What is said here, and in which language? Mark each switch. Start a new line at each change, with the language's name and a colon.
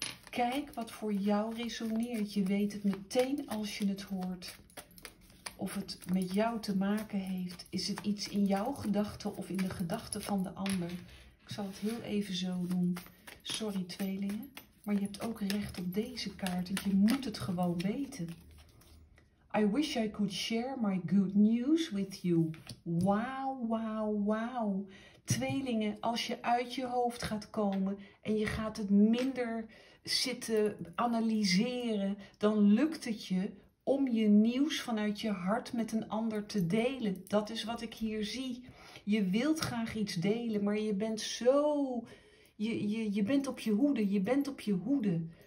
Dutch: Kijk wat voor jou resoneert. Je weet het meteen als je het hoort. Of het met jou te maken heeft. Is het iets in jouw gedachten of in de gedachten van de ander? Ik zal het heel even zo doen. Sorry tweelingen, maar je hebt ook recht op deze kaart. Je moet het gewoon weten.
English: I wish I could share my good news with you. Wauw, wauw, wauw.
Dutch: Tweelingen, als je uit je hoofd gaat komen en je gaat het minder zitten analyseren, dan lukt het je om je nieuws vanuit je hart met een ander te delen. Dat is wat ik hier zie. Je wilt graag iets delen, maar je bent zo, je bent op je hoede, je bent op je hoede.